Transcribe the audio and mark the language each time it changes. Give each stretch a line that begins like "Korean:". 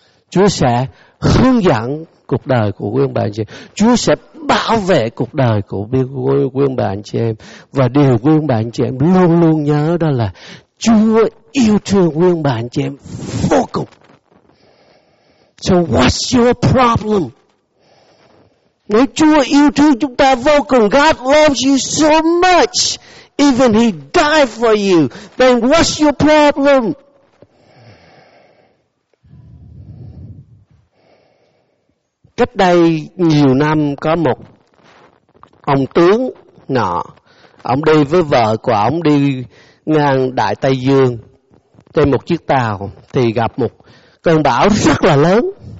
Vietnamese: Chúa sẽ hướng dẫn cuộc đời của quý ông bà anh chị em. Chúa sẽ bảo vệ cuộc đời của quý ông bà anh chị em. Và điều quý ông bà anh chị em luôn luôn nhớ đó là Chúa yêu thương quý ông bà anh chị em vô cùng.
English: So what's your problem?
Vietnamese: Nếu Chúa yêu thương chúng ta vô cùng,
English: God loves you so much, even he died for you, then what's your problem?
Vietnamese: Cách đây nhiều năm, có một ông tướng nọ, ông đi với vợ của ông đi ngang Đại Tây Dương trên một chiếc tàu, thì gặp một cơn bão rất là lớn.